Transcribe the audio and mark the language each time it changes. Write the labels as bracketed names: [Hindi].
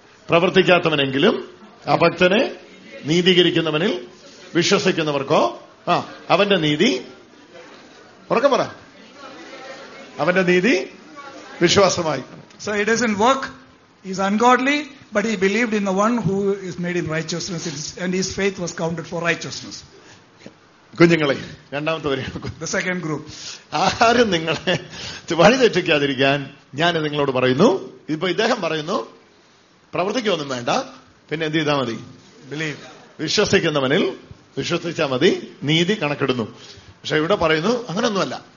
[Malayalam] പ്രവർത്തിക്കാത്തവനെങ്കിലും അഭക്തനെ നീതീകരിക്കുന്നവനിൽ വിശ്വസിക്കുന്നവർക്കോ ആ അവന്റെ നീതി, ഉറക്കം പറ, അവന്റെ നീതി വിശ്വാസമായി. [English] So he doesn't work, he is ungodly, but he believed in the one who is made in righteousness and his faith was counted for righteousness. [Malayalam] കുഞ്ഞുങ്ങളെ, രണ്ടാമത്തെ വരി, [English] the second group. [Malayalam] ആരും നിങ്ങളെ വഴി തെറ്റിക്കാതിരിക്കാൻ ഞാൻ നിങ്ങളോട് പറയുന്നു. ഇപ്പൊ ഇദ്ദേഹം പറയുന്നു പ്രവർത്തിക്കൊന്നും വേണ്ട, പിന്നെ എന്ത് ചെയ്താൽ മതി? [English] Believe. [Malayalam] വിശ്വസിക്കുന്നവനിൽ വിശ്വസിച്ചാൽ മതി, നീതി കണക്കിടുന്നു. പക്ഷെ ഇവിടെ പറയുന്നു അങ്ങനൊന്നുമല്ല,